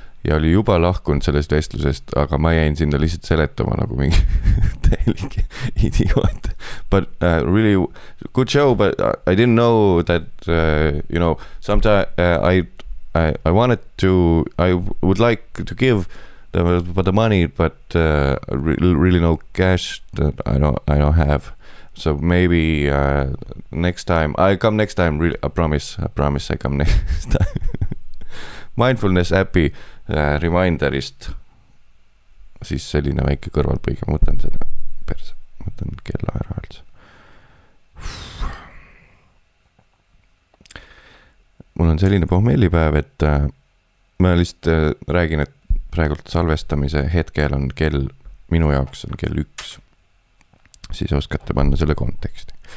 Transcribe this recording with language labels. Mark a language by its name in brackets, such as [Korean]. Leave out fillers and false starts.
[Estonian] Ja oli juba lahkunud sellest vestlusest, aga ma jäin sinna lihtsalt seletama nagu mingi täielik idioot. [English] But really good show, but I didn't know that, you know, sometimes I wanted to, I would like to give the money, but really no cash that I don't have. So maybe next time, I come next time, really, I promise I come next time. [Estonian] Mindfulness appi. Reminderist siis selline väike kõrvalpõige, mõtlen kella ära üldse. Mul on selline pohmeelipäev, et ma lihtsalt räägin, et praegult salvestamise hetkel on kell, minu jaoks on kell 1, siis oskate panna selle konteksti.